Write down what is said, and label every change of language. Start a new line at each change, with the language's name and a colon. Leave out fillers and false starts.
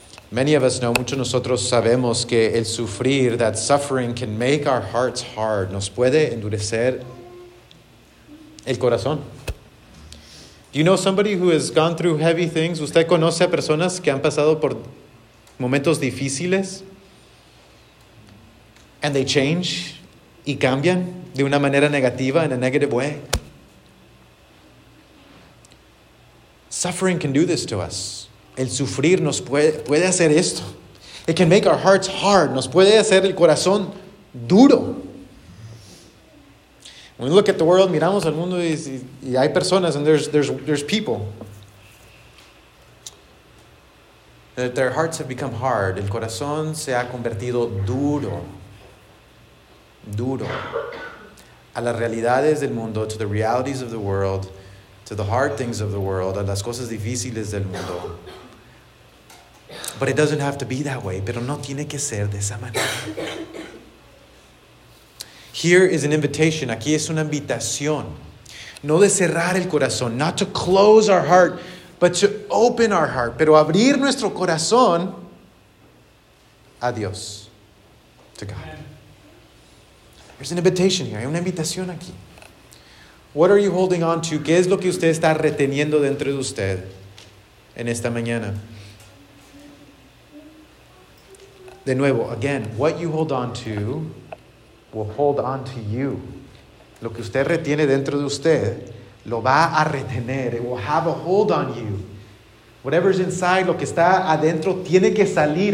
English: Many of us know,
Spanish: muchos de nosotros sabemos que el sufrir,
English: that suffering can make our hearts hard,
Spanish: nos puede endurecer el corazón.
English: Do you know somebody who has gone through heavy things?
Spanish: ¿Usted conoce a personas que han pasado por momentos difíciles?
English: And they change
Spanish: y cambian de una manera negativa,
English: in a negative way. Suffering can do this to us.
Spanish: El sufrir nos puede hacer esto.
English: It can make our hearts hard.
Spanish: Nos puede hacer el corazón duro.
English: When we look at the world,
Spanish: miramos al mundo y hay personas,
English: and there's people that their hearts have become hard.
Spanish: El corazón se ha convertido duro. Duro. A las realidades del mundo,
English: to the realities of the world, to the hard things of the world,
Spanish: a las cosas difíciles del mundo.
English: But it doesn't have to be that way.
Spanish: Pero no tiene que ser de esa manera.
English: Here is an invitation.
Spanish: Aquí es una invitación. No de cerrar el corazón.
English: Not to close our heart, but to open our heart.
Spanish: Pero abrir nuestro corazón a Dios.
English: To God. There's an invitation here.
Spanish: Hay una invitación aquí.
English: What are you holding on to?
Spanish: ¿Qué es lo que usted está reteniendo dentro de usted en esta mañana? De nuevo,
English: again, what you hold on to will hold on to you.
Spanish: Lo que usted retiene dentro de usted lo va a retener.
English: It will have a hold on you. Whatever's inside,
Spanish: lo que está adentro,
English: tiene que salir.